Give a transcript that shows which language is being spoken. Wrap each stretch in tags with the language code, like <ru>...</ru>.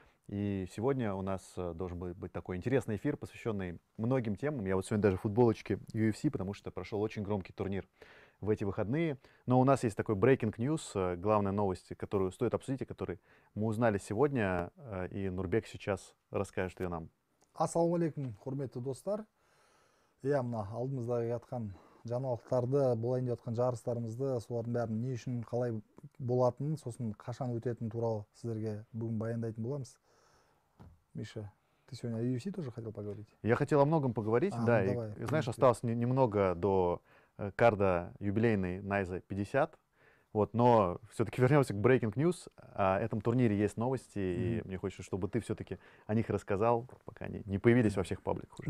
<ru>И сегодня у нас должен быть такой интересный эфир, посвященный многим темам. Я вот сегодня даже в футболочке UFC, потому что прошел очень громкий турнир в эти выходные. Но у нас есть такой breaking news, главная новость, которую стоит обсудить, и которую мы узнали сегодня. И Нурбек сейчас расскажет ее нам.</ru> <kk>Ассаламу алейкум, хурметті достар. Я мына алдымыздағы жатқан жаңалықтарды, болайын деп жатқан жарыстарымызды, солардың бәрін не үшін қалай болатынын, сосын қашан өтетінін туралы сіздерге бүгін баяндайтын боламыз.</kk> <ru>Миша, ты сегодня о UFC тоже хотел поговорить? Я хотел о многом поговорить, да. Ну, и, знаешь, осталось немного до карда юбилейной Найза 50. Вот, но все-таки вернемся к Breaking News. О этом турнире есть новости, и мне хочется, чтобы ты все-таки о них рассказал, пока они не появились во всех пабликах уже.</ru>